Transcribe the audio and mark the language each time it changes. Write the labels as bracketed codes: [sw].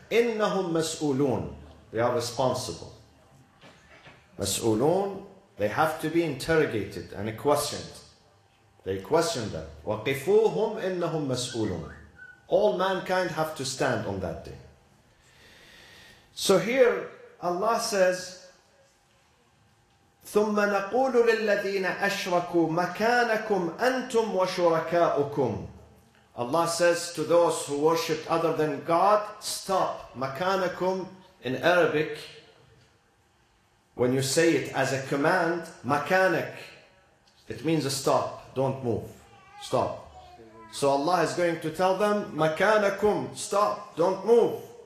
[ar] إِنَّهُمْ مَسْؤُولُونَ, [en] they are responsible. مَسْؤُولُونَ, they have to be interrogated and questioned. They question them. [ar] وَقِفُوهُمْ إِنَّهُمْ مَسْؤُولُونَ. [en] All mankind have to stand on that day. So here Allah says, [ar] ثُمَّ نَقُولُ لِلَّذِينَ أَشْرَكُوا مَكَانَكُمْ أَنْتُمْ وَشُرَكَاءُكُمْ. [en] Allah says to those who worship other than God, stop. مَكَانَكُمْ in Arabic, when you say it as a command, مَكَانَك, it means a stop, don't move, stop. So Allah is going to tell them, مَكَانَكُمْ, stop, don't move.